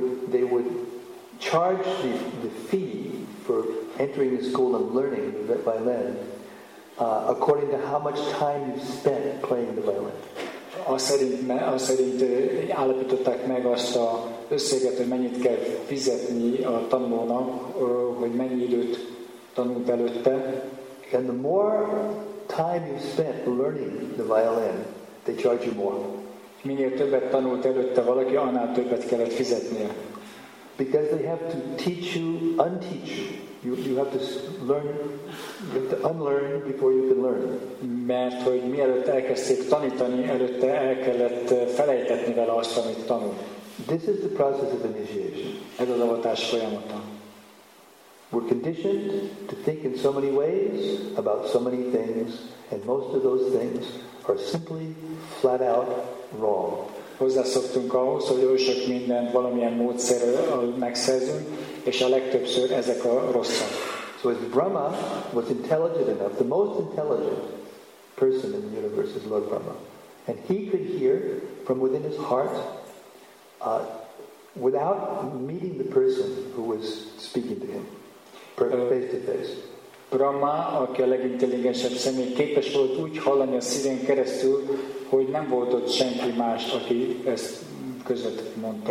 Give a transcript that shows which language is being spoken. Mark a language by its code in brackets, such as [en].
[en] They would charge the fee for entering the school and learning the violin according to how much time you spent playing the violin. [hu] Azt szerint állapították meg azt a összeget, hogy mennyit kell fizetni a tanulónak, hogy mennyi időt tanult előtte. [en] And the more time you spent learning the violin, they charge you more. [hu] Minél többet tanult előtte valaki, annál többet kellett fizetnie. [en] Because they have to teach you, unteach you. You have to learn, you have to unlearn before you can learn. [hu] Mert hogy mielőtt elkezdték tanítani, előtte el kellett felejtetni vele azt, amit tanult. [en] This is the process of initiation. [hu] Ez az avatás folyamata. [en] We're conditioned to think in so many ways about so many things, and most of those things are simply flat out wrong. [hu] Hozzászoktunk ahhoz, hogy oly sok mindent valamilyen módszerrel megszerzünk, és a legtöbbször ezek a rosszak. [en] So if Brahma was intelligent enough, the most intelligent person in the universe is Lord Brahma, and he could hear from within his heart without meeting the person who was speaking to him face to face. [hu] Brahma, aki a legintelligensebb személy, képes volt úgy hallani a szíven keresztül, hogy nem volt ott senki más, aki ezt között mondta.